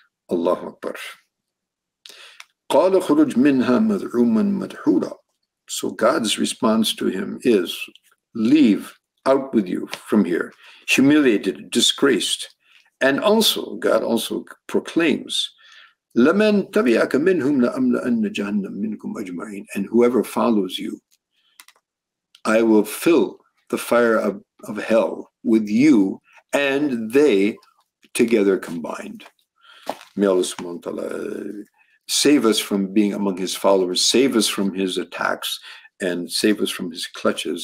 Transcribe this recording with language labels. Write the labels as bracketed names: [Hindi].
[English] Allahu Akbar. [Arabic] قَالَ خُرُجْ مِنْهَا مَذْعُومًا مَذْحُورًا. [English] So God's response to him is, leave, out with you from here, humiliated, disgraced. And also, God also proclaims, [Arabic] لَمَنْ تَبِعَكَ مِنْهُمْ لَأَمْلَأَنَّ جَهَنَّمْ مِنْكُمْ أَجْمَعِينَ. [English] And whoever follows you, I will fill the fire of hell with you and they together combined. May Allah subhanahu wa ta'ala save us from being among his followers, save us from his attacks, and save us from his clutches.